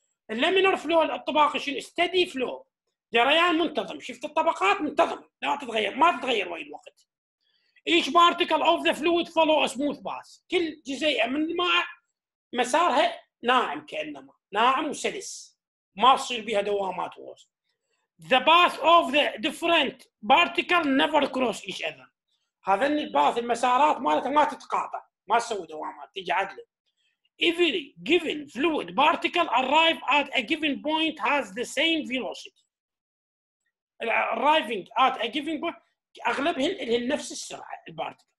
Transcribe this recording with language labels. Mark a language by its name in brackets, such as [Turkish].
[Arabic] الليمينر فلو الطباقي شنو ستدي فلو جريان منتظم شفت الطبقات منتظم لا تتغير ما تتغير وين الوقت [English] each particle of the fluid follow a smooth path [Arabic] كل جزيئه من الماء مسارها ناعم كانما ناعم وسلس ما تصير بها دوامات ووسط. [English] The path of the different particles never cross each other. [Arabic] هذا إن الباث المسارات مالتها ما تتقاطع، ما تسوي دوامات، تيجي عدلة. [English] Every given fluid particle arrive at a given point has the same velocity. Arriving at a given point [Arabic] أغلبهن اللي نفس السرعة البارتيكل.